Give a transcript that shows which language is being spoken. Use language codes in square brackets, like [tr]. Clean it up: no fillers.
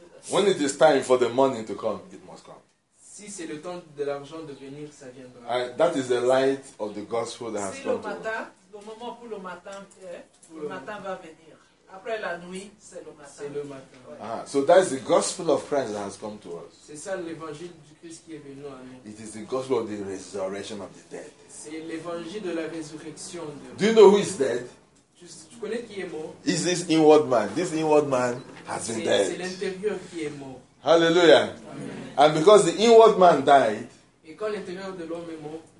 [en] When it is time for the money to come, it must come. [fr] Si c'est le temps de l'argent de venir, ça viendra. [en] That is the light of the gospel that has come. [fr] Si le moment pour le matin, le matin va venir. Après la nuit, c'est le matin. [en] So that is the gospel of Christ that has come to us. [fr] C'est ça l'évangile du Christ qui est venu à nous. [en] It is the gospel of the resurrection of the dead. [fr] C'est l'évangile de la résurrection. [en] Do you know who is dead? [fr] Tu connais qui est mort? [en] Is this inward man? This inward man has been dead. [fr] C'est l'intérieur qui est mort. [en] Hallelujah. Amen. And because the inward man died, [fr] et quand l'intérieur de l'homme est mort,